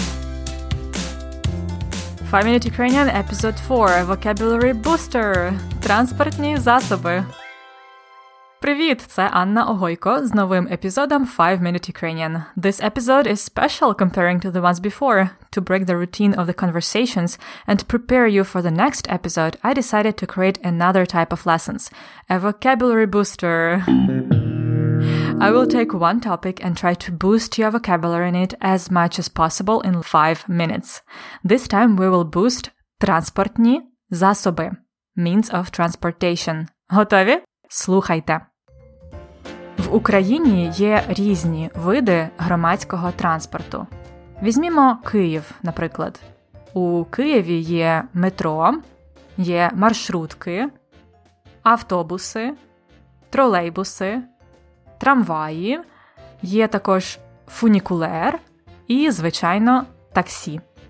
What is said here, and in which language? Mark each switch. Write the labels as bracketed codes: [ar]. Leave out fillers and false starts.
[en] 5 Minute Ukrainian Episode 4 Vocabulary Booster – [uk] транспортні засоби. Привіт, це Анна Огойко з новим епізодом 5 Minute Ukrainian. [en] This episode is special comparing to the ones before. To break the routine of the conversations and prepare you for the next episode, I decided to create another type of lessons – a vocabulary booster. I will take one topic and try to boost your vocabulary in it as much as possible in 5 minutes. This time we will boost [uk] транспортні засоби, [en] means of transportation. [uk] Готові? Слухайте. В Україні є різні види громадського транспорту. Візьмімо Київ, наприклад. У Києві є метро, є маршрутки, автобуси, тролейбуси, трамваї, є також фунікулер і, звичайно, таксі.